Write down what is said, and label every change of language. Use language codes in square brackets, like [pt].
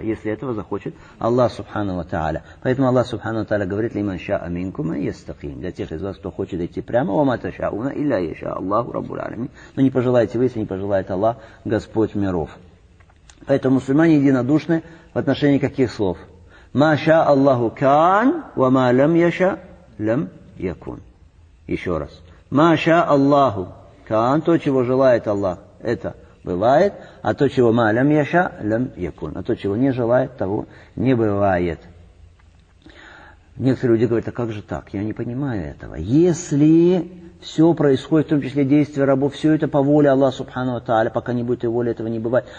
[ru] Если этого захочет Аллах Субхану ва Тааля. Поэтому Аллах Субхану ва Тааля говорит: [ar] «Лиман ша аминкума йастахим». [ru] Для тех из вас, кто хочет идти прямо, [ar] «Ва ма ташауна илля йаша Аллаху раббуль алямин». [ru] Но не пожелаете вы, если не пожелает Аллах, Господь миров. Поэтому мусульмане единодушны в отношении каких слов? [ar] ما شاء الله كان وما لم يشاء لم يكن. [ru] Еще раз. [ar] ما شاء الله كان, [ru] то, чего желает Аллах, это бывает, а то, чего [ar] ما لم يشاء لم يكن, [ru] а то, чего не желает, того не бывает. Некоторые люди говорят, а как же так? Я не понимаю этого. Если все происходит, в том числе действия рабов, все это по воле Аллаха Субхану ва Тааля, пока не будет и воли, этого не бывает.